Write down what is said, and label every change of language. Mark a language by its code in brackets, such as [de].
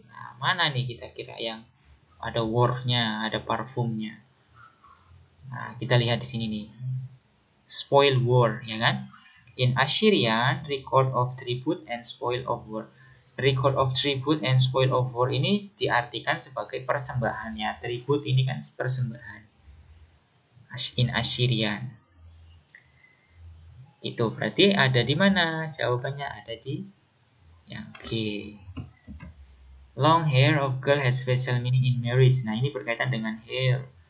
[id] Nah, mana nih kita kira yang ada war-nya, ada parfumnya. Nah, kita lihat di sini nih. Spoil war, ya kan? [en] In Assyrian, record of tribute and spoil of war. Record of tribute and spoil of war [id] ini diartikan sebagai persembahan ya. Tribute ini kan persembahan. [en] In Assyrian. [id] Itu berarti ada di mana? Jawabannya ada di yang G. [en] Long hair of girl has special meaning in marriage. [id] Nah, ini berkaitan dengan hair.